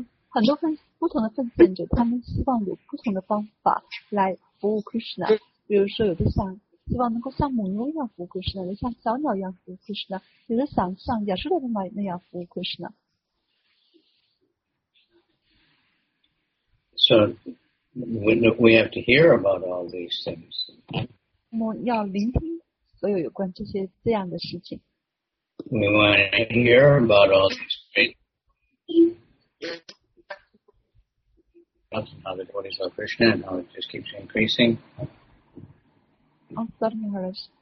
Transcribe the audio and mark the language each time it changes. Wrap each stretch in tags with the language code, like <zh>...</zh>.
<zh>很多不同的奉献者，他们希望有不同的方法来服务 Krishna。比如说，有的想希望能够像母牛一样服务 Krishna，有的像小鸟一样服务 Krishna，有的想像亚瑟的妈那样服务 Krishna。</zh> <en>So we have to hear about all these things.</en> <zh>我们要聆听所有有关这些这样的事情。</zh> <en>We want to hear about all these things. How the devotees love Krishna and how it just keeps increasing. Oh, sorry, Maharaj.</en>